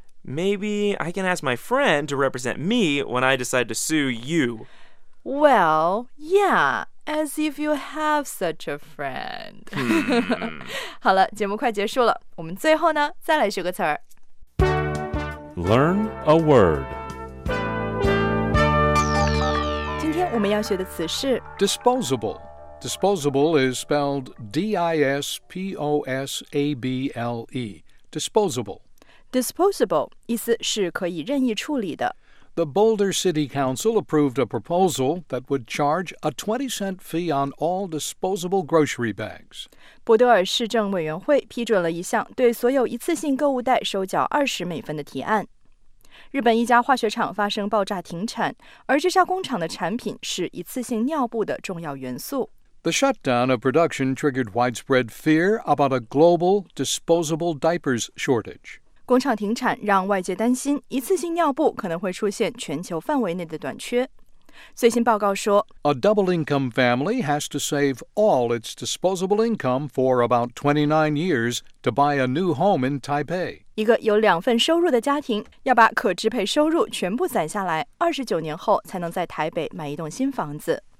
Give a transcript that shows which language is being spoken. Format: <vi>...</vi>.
<en>Maybe I can ask my friend to represent me when I decide to sue you. Well, yeah, as if you have such a friend.</en> <zh>好了，节目快结束了，我们最后呢，再来学个词儿。</zh> <en>Learn a word.</en> <zh>今天我们要学的词是</zh> <en>disposable. Disposable is spelled D-I-S-P-O-S-A-B-L-E. Disposable.</en> <zh>Disposable, 意思是可以任意处理的。</zh> <en>The Boulder City Council approved a proposal that would charge a 20-cent fee on all disposable grocery bags.</en> <zh>博德尔市政委员会批准了一项对所有一次性购物袋收缴20美分的提案。日本一家化学厂发生爆炸停产，而这家工厂的产品是一次性尿布的重要元素。</zh> <en>The shutdown of production triggered widespread fear about a global disposable diapers shortage.</en> <zh>工厂停产让外界担心一次性尿布可能会出现全球范围内的短缺。最新报告说</zh> <en>A double income family has to save all its disposable income for about 29 years to buy a new home in Taipei.</en> <zh>一个有两份收入的家庭要把可支配收入全部攒下来29年后才能在台北买一栋新房子。</zh>